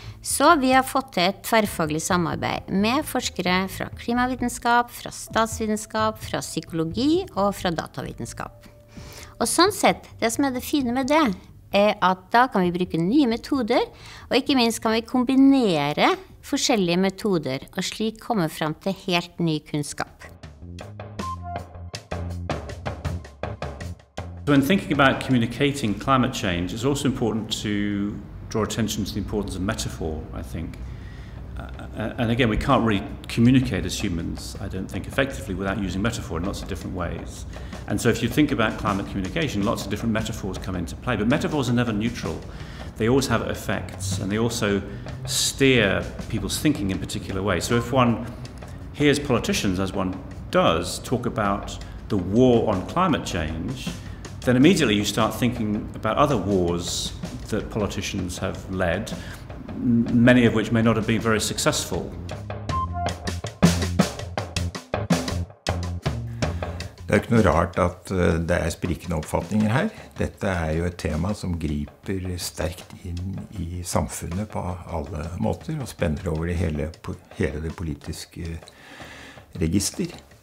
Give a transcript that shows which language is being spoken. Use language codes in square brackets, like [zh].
[no] Så vi har fått et tverrfaglig samarbeid med forskere fra klimavitenskap, fra statsvitenskap, fra psykologi og fra datavitenskap. Og sånn sett, det som det fine med det, at da kan vi bruke nye metoder, og ikke minst kan vi kombinere forskjellige metoder, og slik komme fram til helt ny kunnskap. [en] When thinking about communicating climate change, it's also important to draw attention to the importance of metaphor, I think. And again, we can't really communicate as humans, I don't think, effectively without using metaphor in lots of different ways. And so if you think about climate communication, lots of different metaphors come into play. But metaphors are never neutral. They always have effects, and they also steer people's thinking in particular ways. So if one hears politicians, as one does, talk about the war on climate change, then immediately you start thinking about other wars that politicians have led, many of which may not have been very successful. [no] Det er ikke noe rart at det sprikende oppfatninger her. Dette jo et tema som griper sterkt inn I samfunnet på alle måter og spenner over det hele det politiske register.